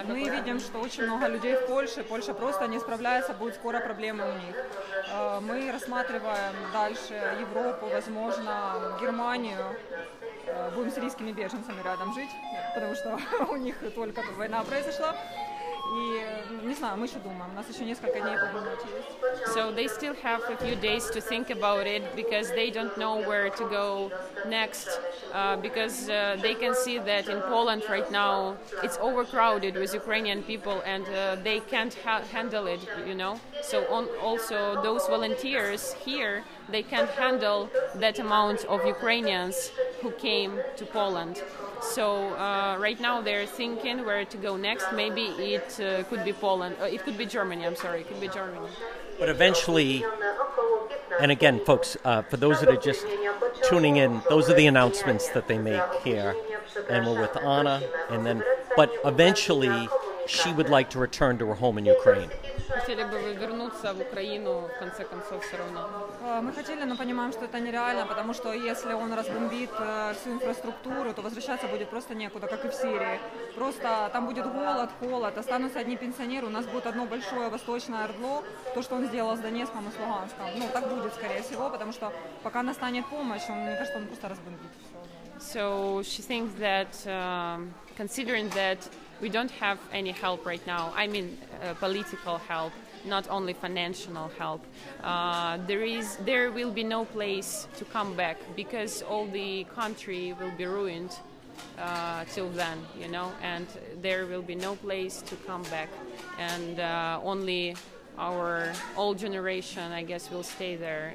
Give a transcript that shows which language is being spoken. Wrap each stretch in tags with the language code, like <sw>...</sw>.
<ru>Мы видим, что очень много людей в Польше. Польша просто не справляется, будет скоро проблема у них. Мы рассматриваем дальше Европу, возможно, Германию. Будем с сирийскими беженцами рядом жить, потому что у них только война произошла. И не знаю, мы еще думаем. У нас еще несколько дней подумать есть.</ru> <en>So they still have a few days to think about it because they don't know where to go next. Because they can see that in Poland right now it's overcrowded with Ukrainian people and they can't handle it, you know. So also those volunteers here, they can't handle that amount of Ukrainians who came to Poland. So right now they're thinking where to go next. Maybe it could be Poland. It could be Germany. I'm sorry. It could be Germany. But eventually, and again, folks, for those that are just tuning in, those are the announcements that they make here. And we're with Anna. And then, but eventually, she would like to return to her home in Ukraine.</en> <uk>Хотіли б ви вернутися в Україну</uk> <ru>в конце концов все равно.</ru> <uk>Ми хотіли,</uk> <ru>но понимаем, что это нереально, потому что если он разбомбит всю инфраструктуру, то возвращаться будет просто некуда, как и в Сирии. Просто там будет голод, холод, останутся одни пенсионеры, у нас будет одно большое восточное ордло, то, что он сделал с Донецком и с Луганском. Ну, так будет, скорее всего, потому что пока настанет помощь, он, мне кажется, он просто разбомбит.</ru> <en>So she thinks that, considering that we don't have any help right now, I mean political help, not only financial help, there will be no place to come back because all the country will be ruined till then, you know, and there will be no place to come back, and only our old generation, I guess, will stay there.</en>